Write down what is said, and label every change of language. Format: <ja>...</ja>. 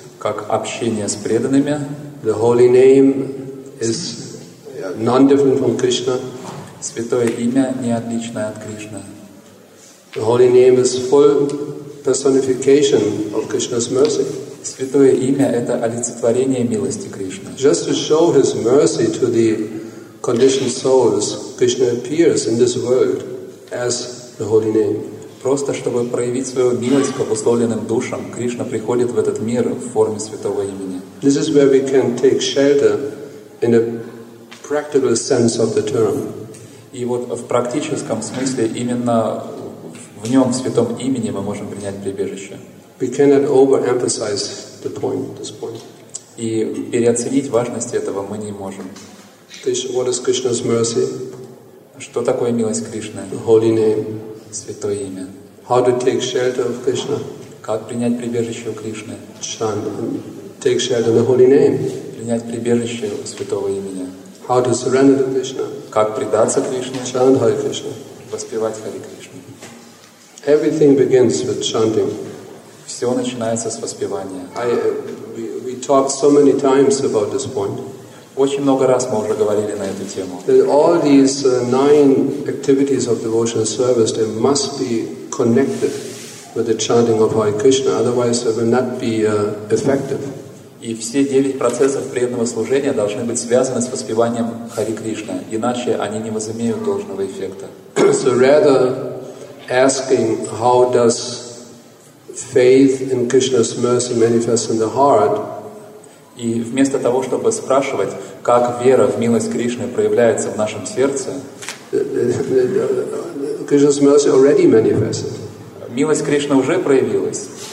<ru>как общение с преданными.</ru> <en>The holy name is non-different from Krishna.</en> <ru>Святое имя не отличное от Кришны.</ru> <en>The holy name is full personification of Krishna's mercy.</en> <ru>Святое имя — это олицетворение милости Кришны.</ru> <en>Just to show His mercy to the conditioned souls, Krishna appears in this world as the holy name.</en> <ru>Просто чтобы проявить свою милость к обусловленным душам, Кришна приходит в этот мир в форме святого имени.</ru> <en>This is where we can take shelter in a practical sense of the term.</en> <ru>И вот в практическом смысле именно в нем, в святом имени, мы можем принять прибежище.</ru> <en>We cannot overemphasize the point, this point.</en> <ru>И переоценить важность этого мы не можем.</ru> <en>What is Krishna's mercy?</en> <ru>Что такое милость Кришны?</ru> <en>The holy name.</en> <ru>Святое имя.</ru> <en>How to take shelter of Krishna?</en> <ru>Как принять прибежище у Кришны?</ru> <en>Chant. Take shelter of the holy name.</en> <ru>Принять прибежище у святого имени.</ru> <en>How to surrender to Krishna?</en> <ru>Как предаться Кришне?</ru> <en>Chant Hare Krishna.</en> <ru>Воспевать Хари Кришну.</ru> <en>Everything begins with chanting.</en> <ru>Все начинается с воспевания.</ru> <en>We talked so many times about this point.</en> <ru>Очень много раз мы уже говорили на эту тему.</ru> <en>That all these nine activities of devotional service, they must be connected with the chanting of Hare Krishna, otherwise they will not be effective.</en> <ru>И все девять процессов преданного служения должны быть связаны с воспеванием Хари Кришна, иначе они не возымеют должного эффекта.</ru> <en>So rather asking how does faith in Krishna's mercy manifest in the heart.</en> <ru>И вместо того, чтобы спрашивать, как вера в милость Кришны проявляется в нашем сердце,</ru> <en>Krishna's mercy already manifested.</en> <ru>Милость Кришны уже проявилась.</ru>